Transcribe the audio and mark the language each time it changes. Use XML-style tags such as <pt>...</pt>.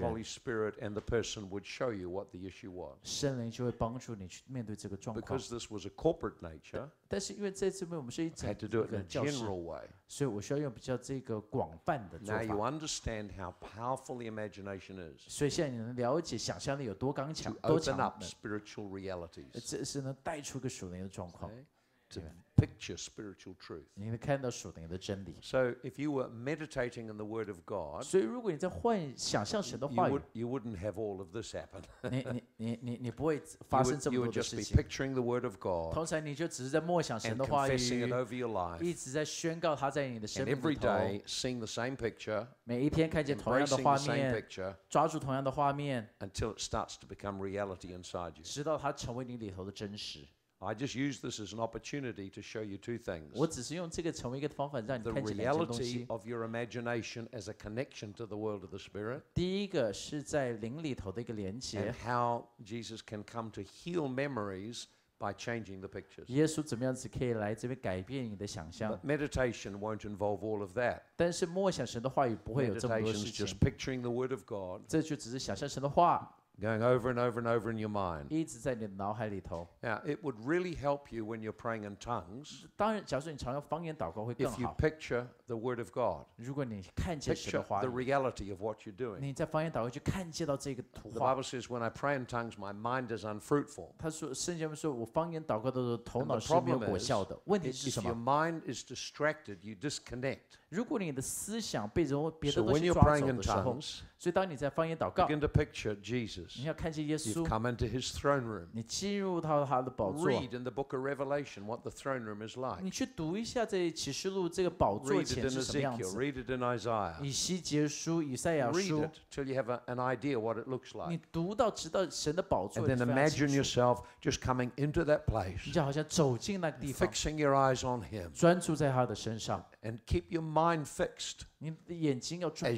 <en>The Holy Spirit and the person would show you what the issue was.</en> <zh>圣灵就会帮助你去面对这个状况</zh> <en>Because this was a corporate nature.</en> <zh>但是因为这次我们是一整个教室</zh> <en>had to do it in a general way.</en> <zh>所以我需要用比较这个广泛的做法</zh> <en>Now you understand how powerful the imagination is.</en> <zh>所以现在你能了解想象力有多刚强</zh> <en>To open up spiritual realities.</en> <zh>这是能带出个属灵的状况</zh> <en>To picture spiritual truth.</en> <zh>你能看到属灵的真理</zh> <en>So if you were meditating in the word of God.</en> <zh>所以如果你在幻想象神的话语</zh> <en>You wouldn't have all of this happen.</en> <zh>你不会发生这么多的事情</zh> <en>You would just be picturing the word of God.</en> <zh>通常你就只是在默想神的话语</zh> <en>And confessing it over your life.</en> <zh>一直在宣告它在你的生命里头</zh> <en>And every day seeing the same picture.</en> <zh>每一天看见同样的画面</zh> <en>Embracing the same picture.</en> <zh>抓住同样的画面</zh> <en>Until it starts to become reality inside you.</en> <zh>直到它成为你里头的真实</zh> <en>I just use this as an opportunity to show you two things.</en> <zh>我只是用这个成为一个方法让你看见两件东西。</zh> <en>The reality of your imagination as a connection to the world of the spirit.</en> <zh>第一个是在灵里头的一个连接。</zh> <en>And how Jesus can come to heal memories by changing the pictures.</en> <zh>耶稣怎么样子可以来这边改变你的想象</zh> <en>？But meditation won't involve all of that.</en> <zh>但是默想神的话语不会有这么多事情。</zh> <en>Meditation is just picturing the word of God.</en> <zh>这就只是想象神的话。</zh> <en>Going over and over and over in your mind.</en> <zh>一直在你的脑海里头。</zh> <en>Now, it would really help you when you're praying in tongues.</en> <zh>当然，假如说你常用方言祷告会更好。</zh> <en>If you picture the word of God.</en> <zh>如果你看见神的话语。</zh> <en>Picture the reality of what you're doing.</en> <zh>你在方言祷告就看见到这个图画。</zh> <en>The Bible says, when I pray in tongues, my mind is unfruitful.</en> <zh>他说，圣经说，我方言祷告的时候，头脑是没有果效的。问题是什么</zh> <en>？If your mind is distracted, you disconnect.</en> <zh>如果你的思想被别的东西抓走的时候。</zh> <en>So when you're praying in tongues.</en> <zh>所以当你在方言祷告。</zh> <en>Begin to picture Jesus.</en> <zh>你要看见耶稣。</zh> <en>You've come into His throne room.</en> <zh>你进入到他的宝座。</zh> <en>Read in the book of Revelation what the throne room is like.</en> <zh>你去读一下这启示录这个宝座前是什么样子。</zh> <en>Read it in Ezekiel. Read it in Isaiah.</en> <zh>以西结书、以赛亚书。</zh> <en>Read it till you have an idea what it looks like.</en> <zh>你读到直到神的宝座。</zh> <en>And then imagine yourself just coming into that place.</en> <zh>你就好像走进那个地方。</zh> <en>Fixing your eyes on Him.</en> <zh>专注在他的身上。</zh> <en>And keep your mind fixed.</en> <zh>你的眼睛要专注。</zh>